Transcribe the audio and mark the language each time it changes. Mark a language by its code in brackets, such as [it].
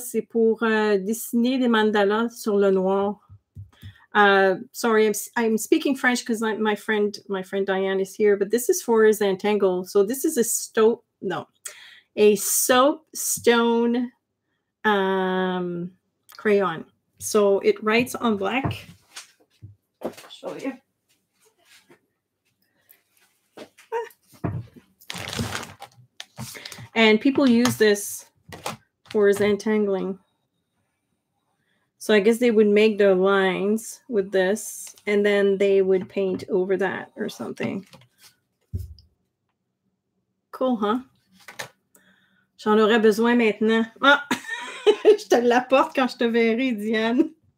[fr] C'est pour dessiner des mandalas sur le noir. [en] Sorry, I'm speaking French because my friend Diane is here, but this is for Zantangle. So this is a soap stone crayon. So it writes on black. Show you. And people use this for Zantangling. So I guess they would make their lines with this and then they would paint over that or something. Cool, huh? [fr] J'en aurais besoin maintenant. Ah! Je te l'apporte quand je te verrai, Diane.